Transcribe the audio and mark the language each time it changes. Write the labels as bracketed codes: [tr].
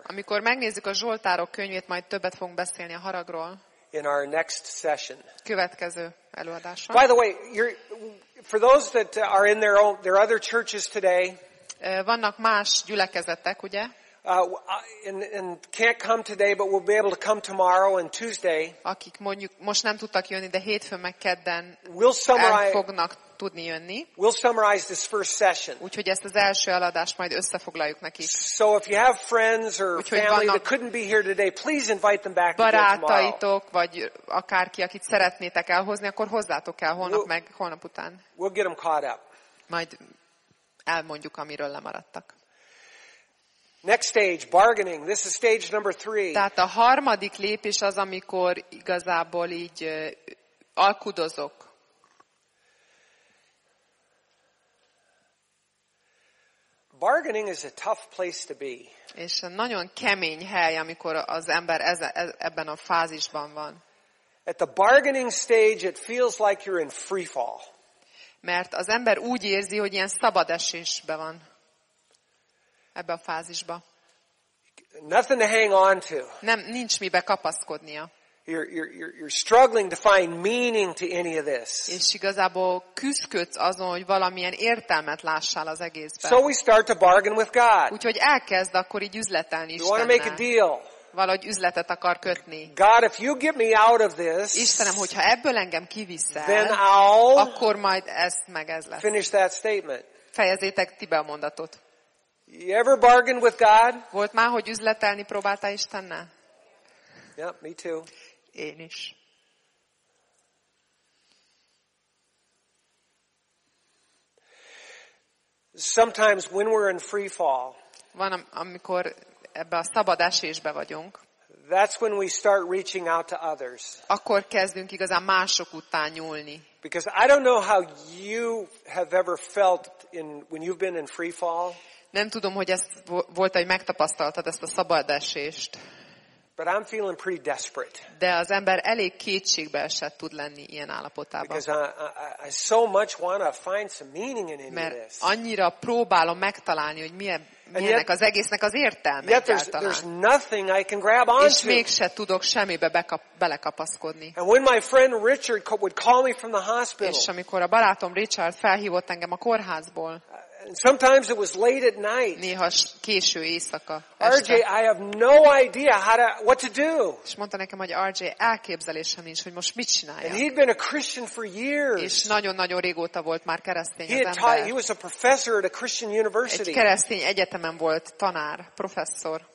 [hu] Amikor megnézzük a Zsoltárok könyvét, majd többet fogunk beszélni a haragról. [en] In our next session. [hu] Következő előadáson. [en] By the way, for those that are in their other churches today. [hu] Vannak más gyülekezetek, ugye? [en] And can't come today, but we'll be able to come tomorrow and Tuesday. [hu] Akik mondjuk most nem tudtak jönni, de hétfőn meg kedden fognak tudni jönni. [en] We'll summarize this first session. [hu] Úgyhogy ezt az első eladást majd összefoglaljuk nekik. [en] So if you have friends or family that couldn't be here today, please invite them back tomorrow. [hu] Barátaitok vagy akárki, akit szeretnétek elhozni, akkor hozzátok el holnap meg holnap után. [en] We'll get them caught up. [hu] Majd elmondjuk, amiről lemaradtak. [en] Next stage, bargaining. This is stage number 3. [hu] Tehát a harmadik lépés az, amikor igazából így alkudozok. [en] Bargaining is a tough place to be. [hu] És nagyon kemény hely, amikor az ember ebben a fázisban van. [en] At the bargaining stage, it feels like you're in free fall. [hu] Mert az ember úgy érzi, hogy ilyen szabad esésben van ebben a fázisban. [en] Nothing to hang on to. [hu] Nem, nincs mibe kapaszkodnia. [en] You're struggling to find meaning to any of this. [hu] És igazából küszködsz azon, hogy valamilyen értelmet lássál az egészben. [en] So we start to bargain with God. [hu] Úgyhogy elkezd akkor így üzletelni Istennel. [en] We want to make a deal. [hu] Valahogy üzletet akar kötni. [en] God, if you get me out of this, [hu] Istenem, hogyha ebből engem kiviszel, [en] then I'll [hu] akkor majd ezt meg ez lesz. [en] Finish that statement. [hu] Fejezzétek ti be a mondatot. [en] You ever bargained with God? [hu] Volt már, hogy üzletelni próbáltál Istennel? [en] Yeah, me too. [hu] Én is. [en] Sometimes when we're in free fall. [hu] Van, amikor ebbe a szabad esésbe vagyunk. [en] That's when we start reaching out to others. [hu] Akkor kezdünk igazán mások után nyúlni. [en] Because I don't know how you have ever felt in when you've been in free fall. [hu] Nem tudom, hogy ezt volt, hogy megtapasztaltad ezt a szabad esést. [en] But I'm feeling pretty desperate. [hu] De az ember elég kétségbe esett tud lenni ilyen állapotában. [en] Because I so much want to find some meaning in this. [hu] Mert annyira próbálom megtalálni, hogy milyennek az egésznek az értelme. [en] There's nothing I can grab onto. [hu] És mégse tudok semmibe belekapaszkodni. [en] And when my friend Richard would call me from the hospital. [hu] És amikor a barátom Richard felhívott engem a kórházból. [en] Sometimes it was late at night. [hu] Néha késő éjszaka. [en] RJ, I have no idea what to do. [hu] És mondta nekem, hogy RJ, elképzelésem nincs, hogy most mit csináljak. [en] And he'd been a Christian for years. [hu] És nagyon-nagyon régóta volt már keresztény az ember. [en] He was a professor at a Christian university. [hu] Egy keresztény egyetemen volt tanár, professzor.